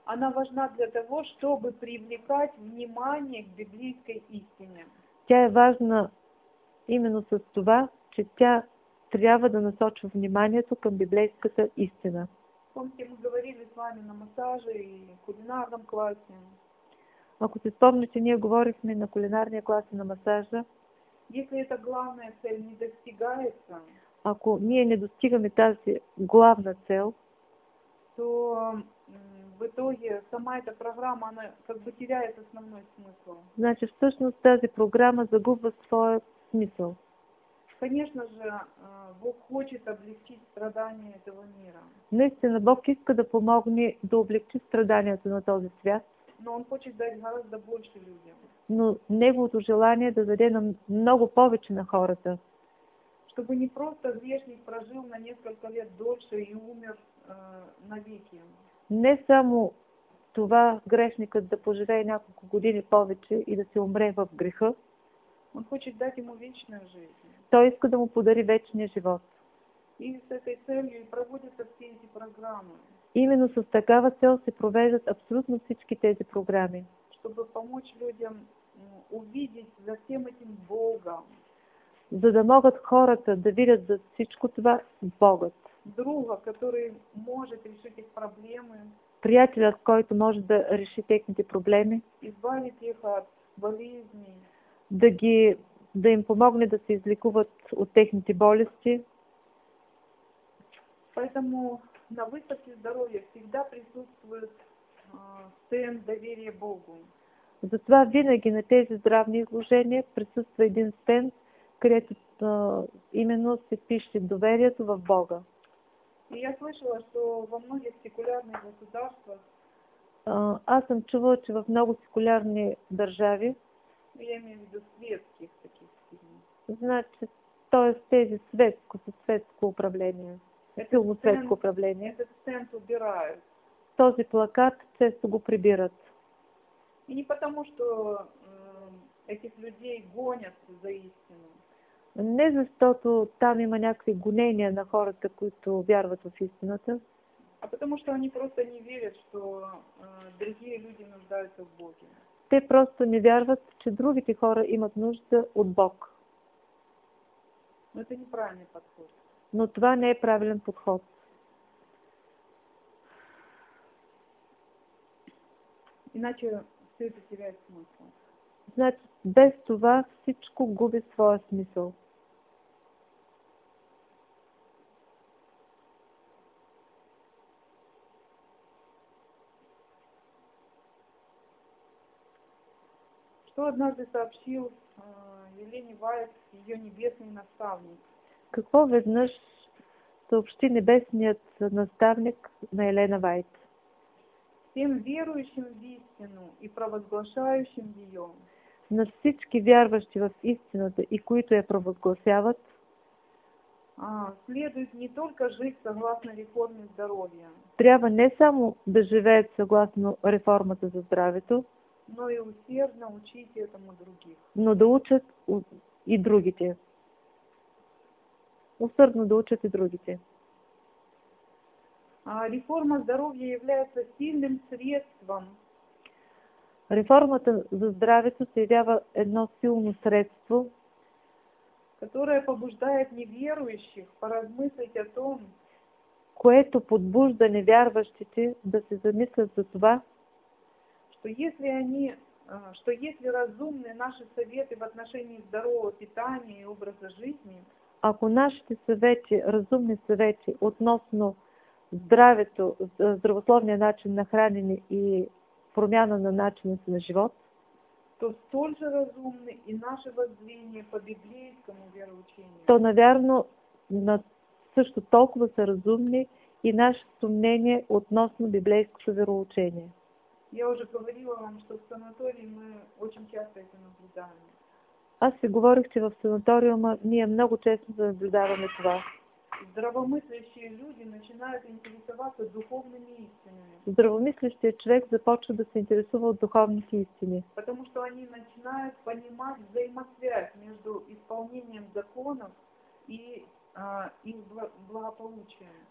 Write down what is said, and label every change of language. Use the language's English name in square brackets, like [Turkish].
[Russian] Она важна для того, чтобы привлекать внимание к библейской истине. [Bulgarian] Тя е важна именно с това, че тя трябва да насочва вниманието към библейската истина. [Russian] Помните, мы говорили с вами на масаже и кулинарном классе. [Bulgarian] Ако се спомните, ние говорихме на кулинарния клас и на масажа. [Russian] Если эта главная цель не достигается, [Bulgarian] ако ние не достигаме тази главна цел, [Russian] то в итоге сама эта программа, она как бы теряет основной смысл. [Bulgarian] Значит, всъщност тази програма загубва своя смисъл. [Russian] Конечно же, Бог хочет облегчить страдания этого мира. [Bulgarian] Наистина, Бог иска да помогне да облегчи страданията на този свят. [Russian] Но Он хочет дать гораздо больше людям. [Bulgarian] Но Неговото желание да даде нам много повече на хората. [Russian] Чтобы не просто грешник прожил на несколько лет дольше и умер навеки. [Bulgarian] Не само това грешникът да поживее няколко години повече и да се умре в греха. [Russian] Он хочет дать ему вечную жизнь. [Bulgarian] Той иска да му подари вечния живот. [Russian] И с этой целью и проводятся все эти программы. [Bulgarian] Именно с такава цел се провеждат абсолютно всички тези програми. [Russian] Чтобы помочь людям увидеть за всем этим Бога. [Bulgarian] За да могат хората да видят за всичко това Бога. [Russian] Друга, который может решить их проблемы. [Bulgarian] Приятелят, който може да реши техните проблеми. [Russian] Избавить их от болезней. [Bulgarian] Да им помогне да се излекуват от техните болести. [Russian] Поэтому на выставке здоровья всегда присутствует стенд доверия Богу. [Bulgarian] Затова винаги на тези здравни изложения присутства един стенд, където именно се пише доверието в Бога. [Russian] И я слышала, что во многих секулярных государствах [Bulgarian] аз съм чувала, че в много секулярни държави [Russian] я имею в виду светских таких [Bulgarian] стенд. Значи, т.е. тези светско управление. Филмосветско управление. [Russian] Этот стенд убирают. [Bulgarian] Този плакат често го прибират. [Russian] И не потому, что Этих людей гонят за истину. [Bulgarian] Не защото там има някакви гонения на хората, които вярват в истината. [Russian] А потому что они просто не верят, что другие люди нуждаются в Боге. [Bulgarian] Те просто не вярват, че другите хора имат нужда от Бог. [Russian] Но это неправильный подход. [Bulgarian] Но това не е правилен подход. [Russian] Иначе все это теряет смысл. [Bulgarian] Значи, без това всичко губи своя смисъл. [Russian] Что однажды сообщил Елене Вайт ее небесный наставник? [Bulgarian] Какво веднъж съобщи небесният наставник на Елена Вайт? [Russian] Всем верующим в истину и провозглашающим ее. [Bulgarian] На всички вярващи в истината и които я провозгласяват. [Russian] Следует не только жить согласно реформе здоровья. [Bulgarian] Трябва не само да живеят съгласно реформата за здравето, [Russian] но и усердно учите этому других. [Bulgarian] Но да учат и другите. Усърдно да учат и другите. [Russian] Реформа здоровья является сильным средством. [Bulgarian] Реформата за здравето се явява едно силно средство, [Russian] которое побуждает неверующих поразмыслить о том, [Bulgarian] което подбужда невярващите да се замислят за това, [Russian] что если разумны наши советы в отношении здорового питания и образа жизни, [Bulgarian] ако нашите съвети, разумни съвети относно здравето, здравословния начин на хранене и промяна на начина си на живот, [Russian] то столь же разумны и наши воззрения по библейскому вероучению. [Bulgarian] То, наверно, на също толкова са разумни и нашето мнение относно библейското вероучение. [Russian] Я уже говорила вам, что в санатории мы очень часто это наблюдаем. [Bulgarian] Аз ви говорих, че в санаториума ние много често наблюдаваме това. [Russian] Здравомыслящие люди начинают интересоваться духовными истинами. [Bulgarian] Здравомислящия човек започва да се интересува от духовните истини. [Russian] Потому что они начинают понимать взаимосвязь между исполнением законов и их благополучием.